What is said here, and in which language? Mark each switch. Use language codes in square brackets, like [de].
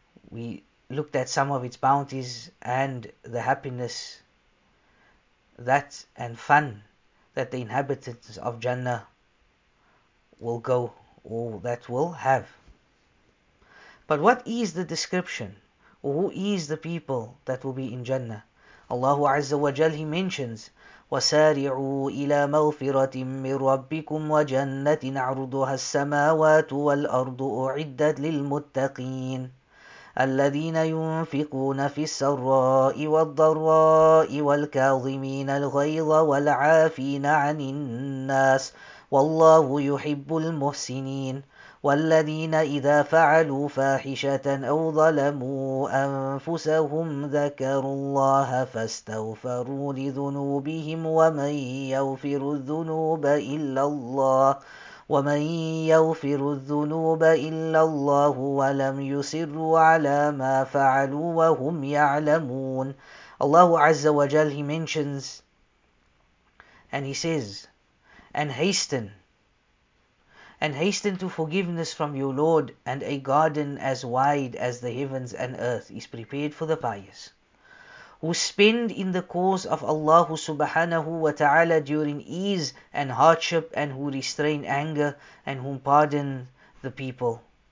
[en] We looked at some of its bounties and the happiness that and fun that the inhabitants of Jannah will go or that will have. But what is the description? Who is the people that will be in Jannah? Allah Azza wa Jal, He mentions, [ar] وَسَارِعُوا إِلَى مَغْفِرَةٍ مِّن رَّبِّكُمْ وَجَنَّةٍ عَرْضُهَا السَّمَاوَاتُ وَالْأَرْضُ أُعِدَّتْ لِلْمُتَّقِينَ الذين ينفقون في السراء والضراء والكاظمين الغيظ والعافين عن الناس والله يحب المحسنين والذين إذا فعلوا فاحشة أو ظلموا أنفسهم ذكروا الله فاستغفروا لذنوبهم ومن يغفر الذنوب إلا الله وَمَنْ يَغْفِرُ الذُّنُوبَ إِلَّا اللَّهُ وَلَمْ يُصِرُّوا عَلَى مَا فَعَلُوا وَهُمْ يَعْلَمُونَ. [en] Allah Azza wa Jal, He mentions and He says, and hasten to forgiveness from your Lord, and a garden as wide as the heavens and earth is prepared for the pious, who spend in the cause of Allah subhanahu wa ta'ala during ease and hardship, and who restrain anger, and whom pardon the people.